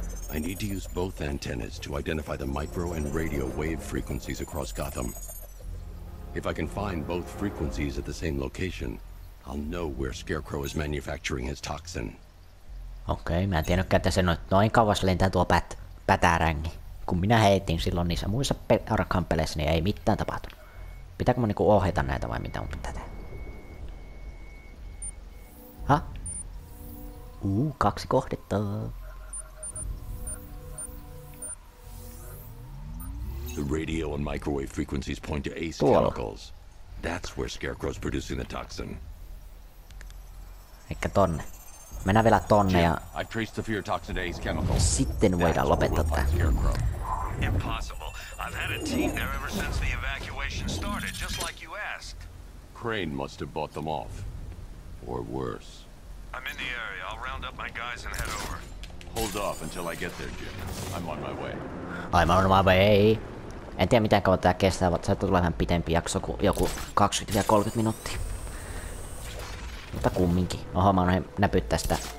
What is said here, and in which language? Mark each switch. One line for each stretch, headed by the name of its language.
English: I need to use both antennas to identify the micro and radio wave frequencies across Gotham. If I can find both frequencies at the same location, I'll know where Scarecrow is manufacturing his toxin.
Finnish: Okei, mä en tiennytkään, että se noin kauas lentää tuo pätärängi. Kun minä heitin silloin niissä muissa Arkham-peleissä, niin ei mitään tapahtunut. Pitääkö mun niinku ohjata näitä vai mitä mun pitää tehdä? Ha? Kaksi kohdetta.
English: The radio and microwave frequencies point to ACE chemicals. That's where Scarecrow's producing the toxin.
Finnish: Eikä tonne. Mennään vielä tonne ja
English: I've traced the fear toxin to ACE chemicals.
Finnish: Sitten voidaan lopettaa tää.
English: Impossible. I've had a team there ever since the evacuation started, just like you asked. Crane must have bought them off. Or worse. I'm in the area. I'll round up my guys and head over. Hold off until I get there, Jim. I'm on my way. I'm on my way.
Finnish: En tiedä miten kauan tää kestää, mutta saattaa tulla vähän pitempi jakso kuin joku 20-30 minuuttia. Mutta kumminkin. Oho, mä oon näpyttää sitä.